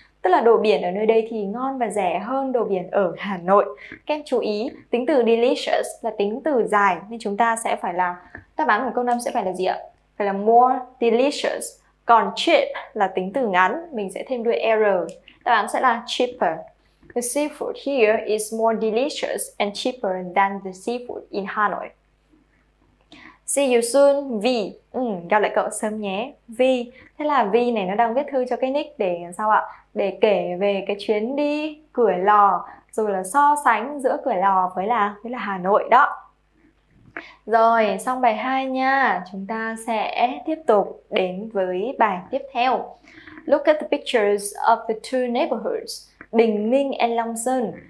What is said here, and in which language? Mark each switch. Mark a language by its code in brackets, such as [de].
[vi] Tức là đồ biển ở nơi đây thì ngon và rẻ hơn đồ biển ở Hà Nội. Các em chú ý, tính từ delicious là tính từ dài nên chúng ta sẽ phải là, đáp án của câu 5 sẽ phải là gì ạ? Phải là more delicious. Còn cheap là tính từ ngắn, mình sẽ thêm đuôi er. Đáp án sẽ là cheaper. [en] The seafood here is more delicious and cheaper than the seafood in Hanoi. See you soon, [vi] V. Gặp lại cậu sớm nhé, V. Thế là V này nó đang viết thư cho cái Nick để làm sao ạ? Để kể về cái chuyến đi Cửa Lò, rồi là so sánh giữa Cửa Lò với là Hà Nội đó. Rồi, xong bài 2 nha. Chúng ta sẽ tiếp tục đến với bài tiếp theo. [en] Look at the pictures of the two neighborhoods, Bình Minh and Long Sơn.